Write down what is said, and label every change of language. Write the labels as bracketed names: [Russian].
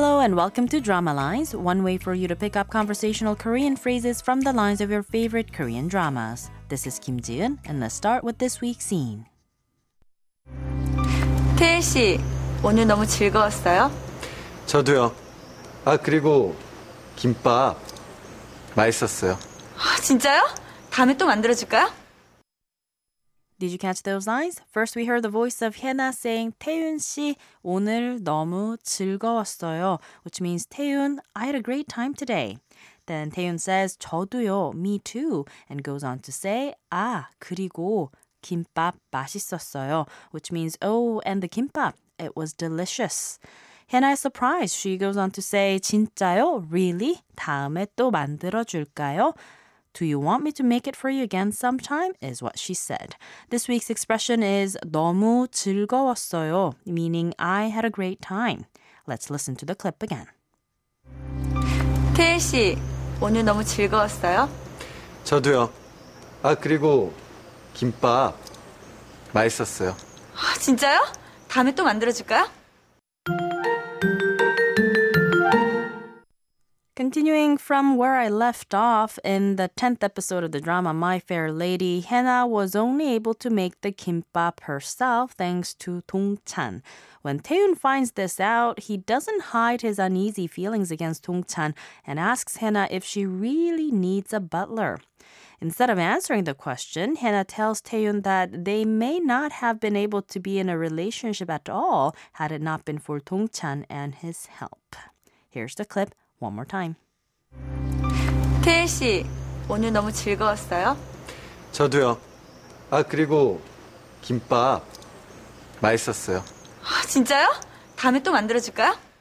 [English] welcome to Drama Lines, one way for you to pick up conversational Korean phrases from the lines of your favorite Korean dramas. This is Kim Ji-eun, and let's start with this week's scene. [Korean] 태희 씨, 오늘 너무 즐거웠어요? 저도요. 아, 그리고 김밥 맛있었어요. 아, 진짜요? 다음에 또 만들어줄까요? [English] Did you catch those lines? First, we heard the voice of Hyena saying, [Korean] 태윤 씨, 오늘 너무 즐거웠어요. [English] Which means, 태윤, I had a great time today. Then 태윤 says, [Korean] 저도요, [English] me too. And goes on to say, [Korean] 아, 그리고 김밥 맛있었어요. [English] Which means, oh, and the kimbap, it was delicious. Hyena is surprised. She goes on to say, [Korean] 진짜요? [English] Really? [Korean] 다음에 또 만들어줄까요? [English] Do you want me to make it for you again sometime? Is what she said. This week's expression is [Korean] 너무 즐거웠어요, [English] meaning I had a great time. Let's listen to the clip again. [Korean] 태희 씨, 오늘 너무 즐거웠어요? 저도요. 아, 그리고 김밥 맛있었어요. 아, 진짜요? 다음에 또 만들어줄까요? [English] Continuing from where I left off, in the 10th episode of the drama My Fair Lady, Hyena was only able to make the kimbap herself thanks to Dong-chan. When Taehyun finds this out, he doesn't hide his uneasy feelings against Dong-chan and asks Hyena if she really needs a butler. Instead of answering the question, Hyena tells Taehyun that they may not have been able to be in a relationship at all had it not been for Dong-chan and his help. Here's the clip. One more time. [Korean] 태희 씨, 오늘 너무 즐거웠어요? 저도요. 아, 그리고 김밥 맛있었어요. 아, 진짜요? 다음에 또 만들어줄까요?